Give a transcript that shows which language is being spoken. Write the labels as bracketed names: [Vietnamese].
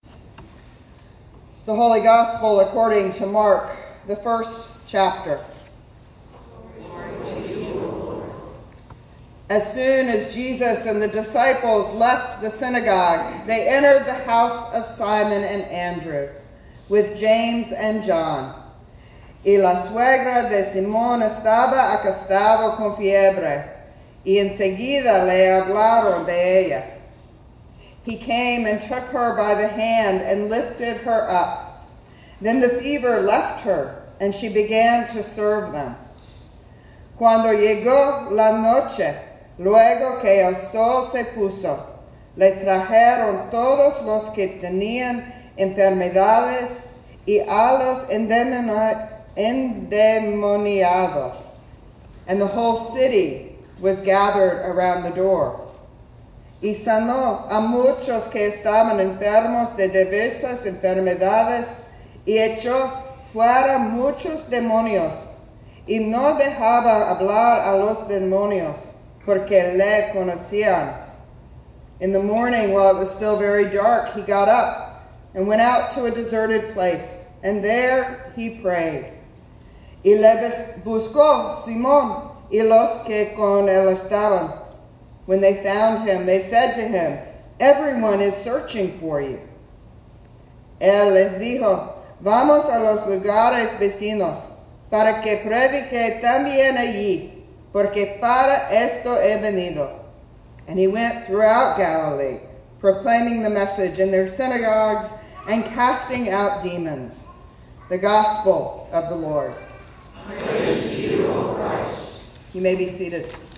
[English] The Holy Gospel according to Mark, the first chapter. As soon as Jesus and the disciples left the synagogue, they entered the house of Simon and Andrew with James and John. [Spanish] Y la suegra de Simón estaba acostada con fiebre, y enseguida le hablaron de ella. [English] He came and took her by the hand and lifted her up. Then the fever left her, and she began to serve them. [Spanish] Cuando llegó la noche, luego que el sol se puso, le trajeron todos los que tenían enfermedades y a los endemoniados. [English] And the whole city was gathered around the door. [Spanish] Y sanó a muchos que estaban enfermos de diversas enfermedades y echó fuera muchos demonios y no dejaba hablar a los demonios porque le conocían. [English] In the morning, while it was still very dark, he got up and went out to a deserted place, and there he prayed. [Spanish] Y le buscó Simón y los que con él estaban. [English] When they found him, they said to him, "Everyone is searching for you." [Spanish] Él les dijo, "Vamos a los lugares vecinos para que predique también allí, porque para esto he venido." [English] And he went throughout Galilee, proclaiming the message in their synagogues and casting out demons. The Gospel of the Lord. Praise to you, O Christ. You may be seated.